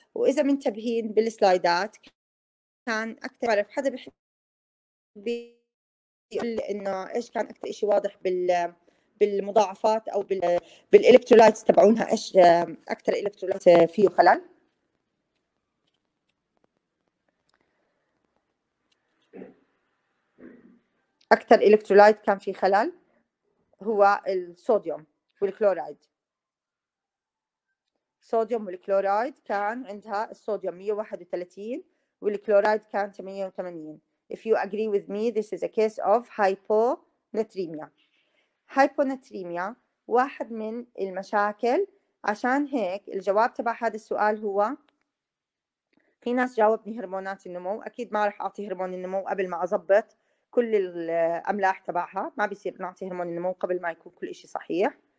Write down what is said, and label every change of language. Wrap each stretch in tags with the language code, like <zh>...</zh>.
<ar>واذا منتبهين بالسلايدات كان اكثر عرف حدا بحب يقول انه ايش كان اكثر شيء واضح بالمضاعفات او بالالكترولايت تبعونها، ايش اكثر الكترولايت فيه خلل؟ أكثر إلكترولايت كان فيه خلل هو الصوديوم والكلورايد. صوديوم والكلورايد كان عندها الصوديوم 131 والكلورايد كان 88.</ar> <en>If you agree with me this is a case of hyponatremia.</en> <ar>Hyponatremia واحد من المشاكل، عشان هيك الجواب تبع هذا السؤال هو، في ناس جاوبني هرمونات النمو، أكيد ما رح أعطي هرمون النمو قبل ما أضبط كل الأملاح تبعها، ما بيصير نعطي هرمون النمو قبل ما يكون كل إشي صحيح.</ar>